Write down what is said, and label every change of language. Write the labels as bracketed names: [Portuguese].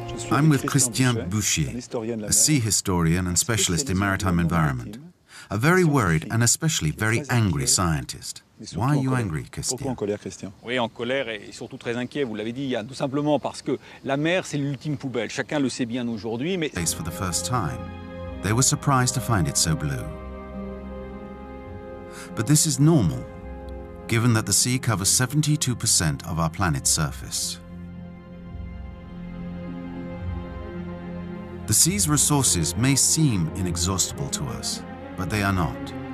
[English] I'm with Christian Boucher, a sea historian and specialist in maritime environment. A very worried and especially very angry scientist. Why are you angry, Christian? [French] Oui, en colère et surtout très inquiet, vous l'avez dit, tout simplement parce que la mer, c'est l'ultime poubelle. Chacun le sait bien aujourd'hui, mais... [English] ...for the first time. They were surprised to find it so blue. But this is normal, given that the sea covers 72% of our planet's surface. The sea's resources may seem inexhaustible to us, but they are not.